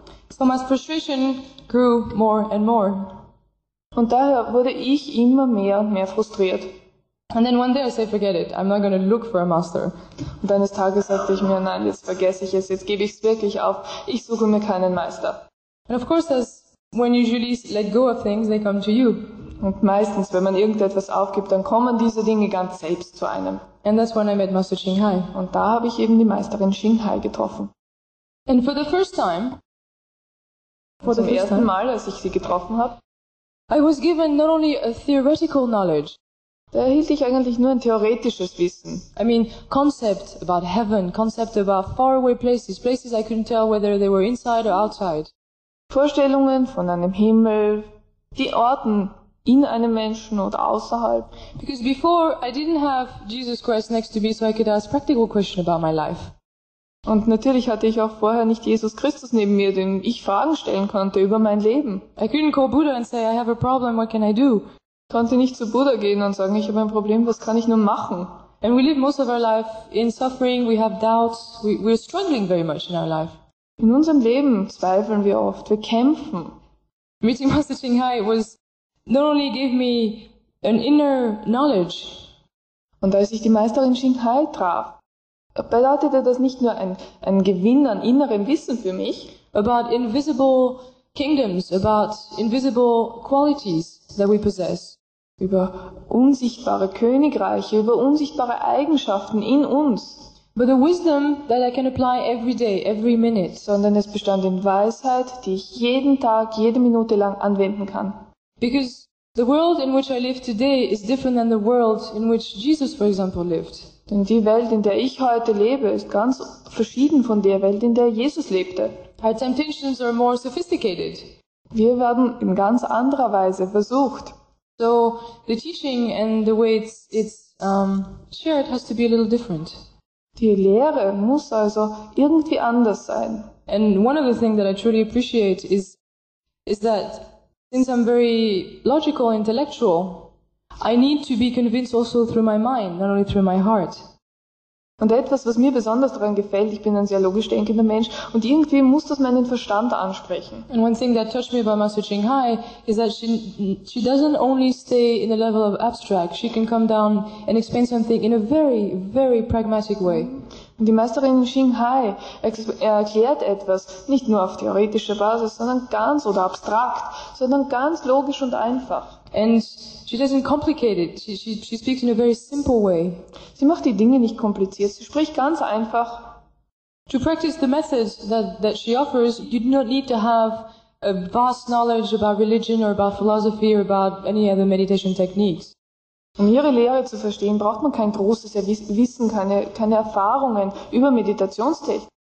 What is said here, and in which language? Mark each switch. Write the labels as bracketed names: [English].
[English] So my frustration grew more and more. [German] Und daher wurde ich immer mehr und mehr frustriert. [English] And then one day I say, forget it, I'm not going to look for a master. [German] Und eines Tages sagte ich mir, nein, jetzt vergesse ich es, jetzt gebe ich es wirklich auf, ich suche mir keinen Meister. [English] And of course, as when usually let go of things, they come to you. [German] Und meistens, wenn man irgendetwas aufgibt, dann kommen diese Dinge ganz selbst zu einem. [English] And that's when I met Master Qinghai. [German] Und da habe ich eben die Meisterin Qinghai getroffen. [English] And for the first time, for the [German] ersten time, Mal, als ich sie getroffen habe, [English] I was given not only a theoretical knowledge, [German] da erhielt ich eigentlich nur ein theoretisches Wissen. [English] I mean, concept about heaven, concept about faraway places, places I couldn't tell whether they were inside or outside. [German] Vorstellungen von einem Himmel, die Orten in einem Menschen oder außerhalb. [English] Because before I didn't have Jesus Christ next to me, so I could ask practical questions about my life. [German] Und natürlich hatte ich auch vorher nicht Jesus Christus neben mir, den ich Fragen stellen konnte über mein Leben. [English] I couldn't call Buddha and say, I have a problem, what can I do? [German] Ich konnte nicht zu Buddha gehen und sagen, ich habe ein Problem, was kann ich nun machen? [English] And we live most of our life in suffering, we have doubts, we're struggling very much in our life. [German] In unserem Leben zweifeln wir oft, wir kämpfen. [English] Meeting Master Qinghai was not only gave me an inner knowledge. [German] Und als ich die Meisterin Qinghai traf, bedeutete das nicht nur ein Gewinn an innerem Wissen für mich. [English] About invisible kingdoms, about invisible qualities that we possess. [German] Über unsichtbare Königreiche, über unsichtbare Eigenschaften in uns. [English] But the wisdom that I can apply every day, every minute. [German] Sondern es bestand in Weisheit, die ich jeden Tag, jede Minute lang anwenden kann. [English] Because the world in which I live today is different than the world in which Jesus, for example, lived. [German] Denn die Welt, in der ich heute lebe, ist ganz verschieden von der Welt, in der Jesus lebte. [English] Our temptations are more sophisticated. [German] Wir werden in ganz anderer Weise versucht. [English] So the teaching and the way it's shared has to be a little different. [German] Die Lehre muss also irgendwie anders sein. [English] And one of the things that I truly appreciate is that since I'm very logical, intellectual, I need to be convinced also through my mind, not only through my heart. [German] Und etwas, was mir besonders daran gefällt, ich bin ein sehr logisch denkender Mensch und irgendwie muss das meinen Verstand ansprechen. [English] And one thing that touched me about Master Ching Hai is that she doesn't only stay in the level of abstract, she can come down and explain something in a very, very pragmatic way. [German] Und die Meisterin Ching Hai erklärt etwas nicht nur auf theoretischer Basis, sondern ganz oder abstrakt, sondern ganz logisch und einfach. [English] And she doesn't complicate it. She speaks in a very simple way. [German] Sie macht die Dinge nicht kompliziert. Sie spricht ganz einfach. [English] To practice the methods that she offers, you do not need to have a vast knowledge about religion or about philosophy or about any other meditation techniques. [German] Um ihre Lehre zu verstehen, braucht man kein großes Wissen, keine Erfahrungen über Meditationstechnik.